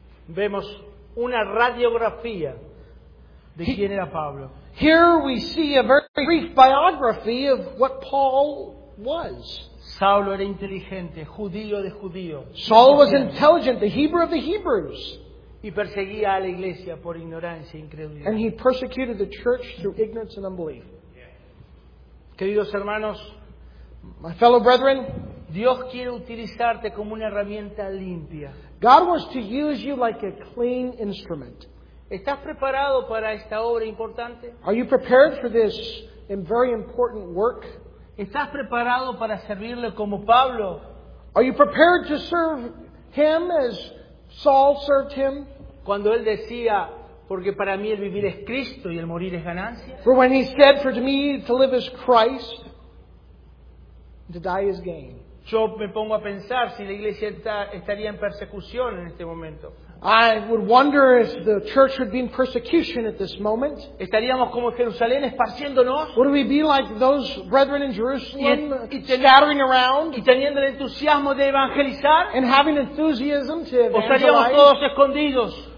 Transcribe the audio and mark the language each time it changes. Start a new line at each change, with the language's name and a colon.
Spanish: Vemos una radiografía. de quién era Pablo.
English: Here we see a very brief biography of what Paul was.
Spanish: Saulo era inteligente, judío de judíos.
English: Saul was intelligent, the Hebrew of the Hebrews.
Spanish: Y perseguía a la iglesia por ignorancia e incredulidad.
English: And he persecuted the church through ignorance and unbelief.
Spanish: Queridos hermanos,
English: my fellow brethren,
Spanish: Dios quiere utilizarte como una herramienta limpia.
English: God wants to use you like a clean instrument.
Spanish: ¿Estás preparado para esta obra importante?
English: Are you prepared for this very important work?
Spanish: ¿Estás preparado para servirle como Pablo?
English: Are you prepared to serve him as Saul served him?
Spanish: Cuando él decía, porque para mí el vivir es Cristo y el morir es ganancia.
English: For when he said, for me to live is Christ, to die is gain.
Spanish: Yo me pongo a pensar si la iglesia estaría en persecución en este momento.
English: I would wonder if the church would be in persecution at this moment.
Spanish: ¿Estaríamos como Jerusalén esparciéndonos?
English: Would we be like those brethren in Jerusalem scattering around?
Spanish: ¿Y teniendo el entusiasmo de evangelizar?
English: And having enthusiasm to evangelize?
Spanish: ¿O estaríamos todos escondidos?